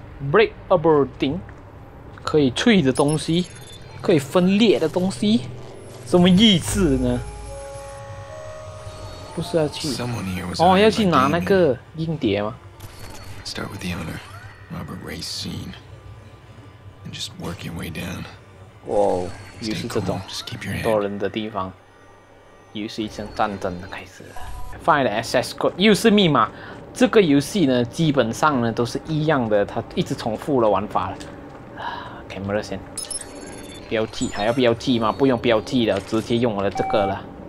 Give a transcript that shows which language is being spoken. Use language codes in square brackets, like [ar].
[en] Break a building， [zh] 可以脆的东西，可以分裂的东西，什么意思呢？不是要去哦，要去拿那个硬碟吗 [en] ？Start with the owner, Robert Racine, and just work your way down. [zh] 哇，又是这种多人的地方。又是一场战争的开始了。 [en] Find the access code， [zh] 又是密码。这个游戏呢，基本上呢都是一样的，它一直重复了玩法了。 Camera 先，标记还要标记吗？不用标记了，直接用我的这个了。